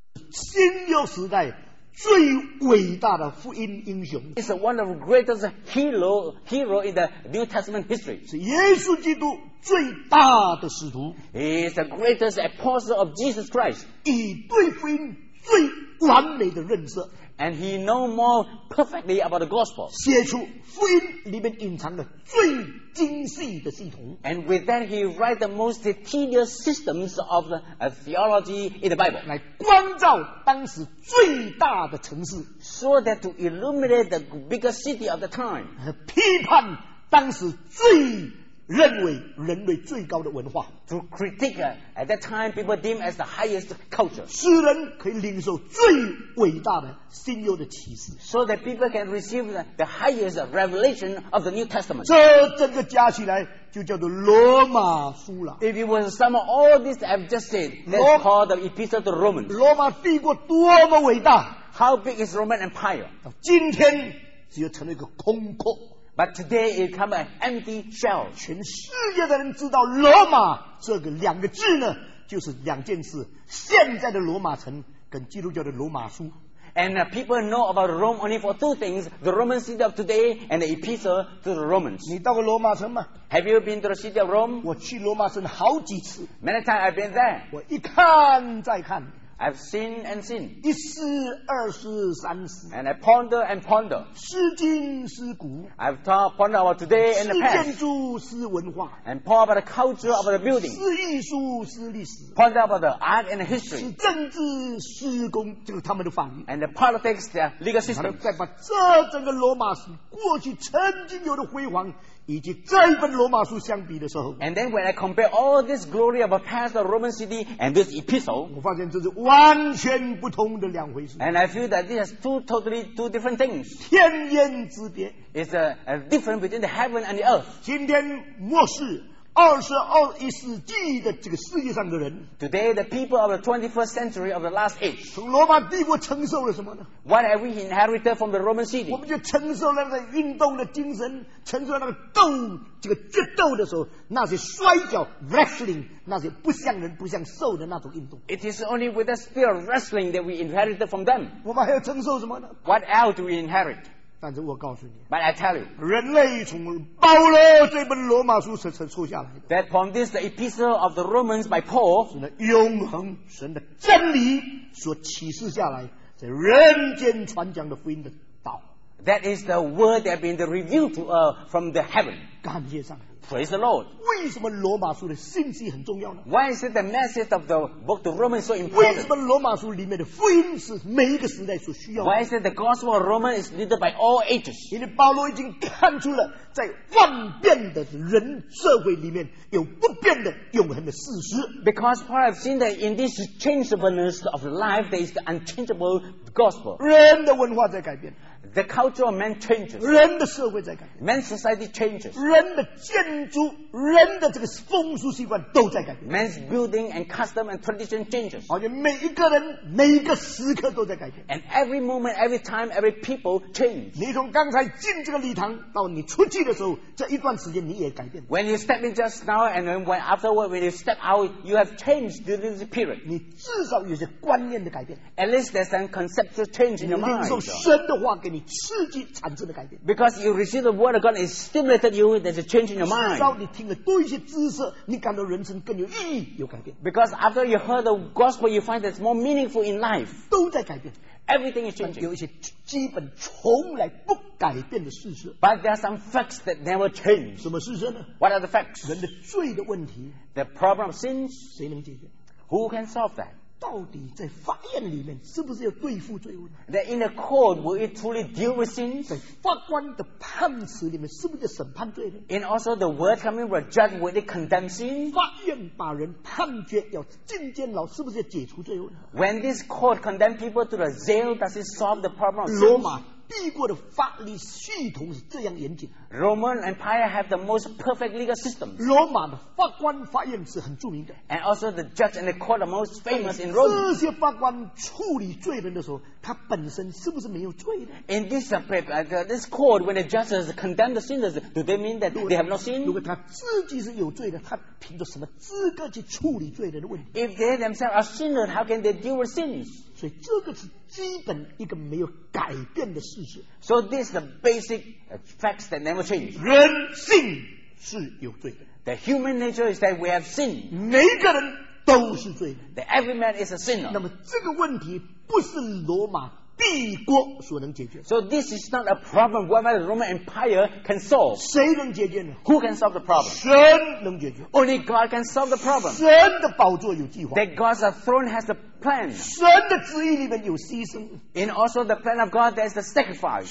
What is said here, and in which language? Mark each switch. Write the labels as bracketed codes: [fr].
[zh] 新约时代最伟大的福音英雄。 [en] He's one of the greatest hero in the New Testament history. [zh] 是耶稣基督最大的使徒。 [en] He's the greatest apostle of Jesus Christ. [zh] 以对福音最完美的认识。 [en] And he know more perfectly about the gospel. [zh] 写出福音里面隐藏的最精细的系统。 [en] And with that, he write the most detailed systems of the theology in the Bible. [zh] 来光照当时最大的城市。 [en] So that to illuminate the biggest city of the time. [zh] 批判当时最认为人类最高的文化。 [en] To critique at that time people deem as the highest culture. [zh] 使人可以领受最伟大的新约的启示。 [en] So that people can receive the highest revelation of the New Testament. [zh] 这整个加起来就叫做罗马书了。 [en] If you want to sum all this I've just said, that's called the Epistle to Romans. [zh] 罗马帝国多么伟大。 [en] How big is Roman Empire? [zh] 今天只有成了一个空壳。 [en] But today it come an empty shell. [zh] 全世界的人知道罗马这个两个字呢，就是两件事：现在的罗马城跟基督教的罗马书。 [en] And people know about Rome only for two things: the Roman city of today and the epistle to the Romans. [zh] 你到过罗马城吗 [en] ？Have you been to the city of Rome? [zh] 我去罗马城好几次。 [en] Many times I've been there. [zh] 我一看再看。 [en] I've seen and seen. [zh] 一思二思三思。 [en] And I ponder and ponder. [zh] 思今思古。 [en] I've talked ponder about today and the past. [zh] 思建筑思文化。 [en] And ponder about the culture of the building. [zh] 思艺术思历史。 [en] Ponder about the art and the history. [zh] 思政治思公就是他们的反应。 [en] And the politics, the legal system. [zh] 再把这整个罗马史过去曾经有的辉煌。以及这一本罗马书相比的时候 [en] and then when I compare all this glory of a past Roman city and this epistle [zh] 我发现这是完全不同的两回事 [en] and I feel that this is two totally different things [zh] 天渊之别 [en] it's a difference between the heaven and the earth [zh] 今天末世二十二一世纪的这个世界上的人 [en] today the people of the 21st century of the last age [zh] 从罗马帝国承受了什么呢 [en] what have we inherited from the Roman city [zh] 我们就承受了那个运动的精神承受了那个斗这个决斗的时候那些摔跤 wrestling 那些不像人不像兽的那种运动 [en] it is only with the spirit of wrestling that we inherited from them [zh] 我们还要承受什么呢 [en] what else do we inherit [zh] 但是我告诉你 [en] But I tell you, [zh] 人类从保罗这本罗马书是出下来的 [en] That from this the epistle of the Romans by Paul [zh] 是那永恒神的真理所启示下来在人间传讲的福音的道 [en] That is the word that has been revealed to us from the heaven [zh] 感谢上帝 [en] Praise the Lord [zh] 为什么罗马书的信息很重要呢 [en] Why is it the message of the book to Romans so important [zh] 为什么罗马书里面的福音是每一个时代所需要的 [en] Why is it the gospel of Romans is needed by all ages [zh] 因为保罗已经看出了在万变的人社会里面有不变的永恒的事实 [en] Because Paul has seen that in this changeableness of life there is the unchangeable gospel [zh] 人的文化在改变 [en] The culture of man changes [zh] 人的社会在改变 [en] Man's society changes [zh] 人的建筑人的这个风俗习惯都在改变 [en] Man's building and custom and tradition changes [zh] 而且每一个人每一个时刻都在改变 [en] And every moment, every time, every people change [zh] 你从刚才进这个礼堂到你出去的时候这一段时间你也改变 [en] When you step in just now and when afterward when you step out you have changed during this period [zh] 你至少有些观念的改变 [en] At least there's some conceptual change in your mind [zh] 你领受神的话给你刺激产生的改变 [en] Because you receive the word of God it stimulated you there's a change in your mind [zh] 至少你听了多一些知识你感到人生更有意义有改变 [en] Because after you heard the gospel you find that it's more meaningful in life [zh] 都在改变 [en] Everything is changing [zh] 有一些基本从来不改变的事实 [en] But there are some facts that never change [zh] 什么事实呢 [en] What are the facts [zh] 人的罪的问题 [en] The problem of sins [zh] 谁能解决 [en] Who can solve that [zh] 到底在法院里面是不是要对付罪恶 [en] That in the court will it truly deal with sins [zh] 在法官的判词里面是不是要审判罪呢 [en] And also the word coming from judge will it condemn sins [zh] 法院把人判决要进监牢是不是要解除罪恶呢 [en] When this court condemn people to the jail does it solve the problem of sins [zh] 罗马帝国的法律系统是这样严谨 [en] Roman Empire have the most perfect legal system [zh] 罗马的法官法院是很著名的 [en] and also the judge and the court are most famous in Rome [zh] 这些法官处理罪人的时候他本身是不是没有罪呢 [en] in this aspect, this court when the judges condemn the sinners do they mean that they have not sinned [zh] 如果他自己是有罪的他凭着什么资格去处理罪人的问题 [en] if they themselves are sinners how can they deal with sins [zh] 所以这个是基本一个没有改变的事实。 [en] So this is the basic facts that never change. [zh] 人性是有罪的。 [en] The human nature is that we have sin. [zh] 每个人都是罪人。 [en] That every man is a sinner. [zh] 那么这个问题不是罗马帝国所能解决。 [en] So this is not a problem whether the Roman Empire can solve. [zh] 谁能解决呢？ [en] Who can solve the problem? [zh] 神能解决。 [en] Only God can solve the problem. [zh] 神的宝座有计划。 [en] That God's throne has a plan. [zh] 神的旨意里面有牺牲。 [en] And also the plan of God, there's the sacrifice.